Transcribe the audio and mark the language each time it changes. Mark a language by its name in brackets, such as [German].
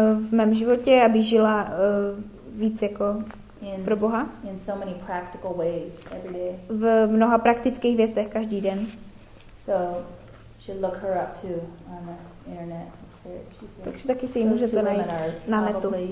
[Czech] v mém životě, aby žila víc jako pro Boha. [English] In so many practical ways every day. [Czech] V mnoha praktických věcech každý den. [English] So should look her up too on the internet. [Czech] Takže taky si ji můžete najít na netu.